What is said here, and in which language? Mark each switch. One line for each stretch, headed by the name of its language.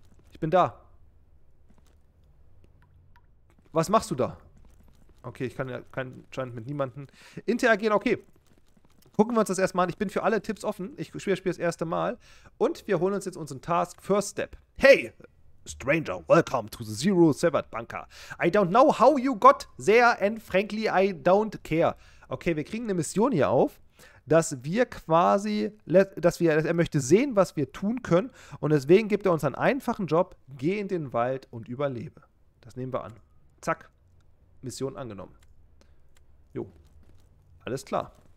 German: Ich bin da. Was machst du da? Okay, ich kann ja anscheinend mit niemandem interagieren. Okay. Gucken wir uns das erstmal an. Ich bin für alle Tipps offen. Ich spiele das erste Mal. Und wir holen uns jetzt unseren Task First Step.
English: Hey, Stranger, welcome to the Zero Severed Bunker. I don't know how you got there and frankly I don't care.
German: Okay, wir kriegen eine Mission hier auf, dass wir quasi, dass er möchte sehen, was wir tun können. Und deswegen gibt er uns einen einfachen Job. Geh in den Wald und überlebe. Das nehmen wir an. Zack. Mission angenommen. Jo. Alles klar.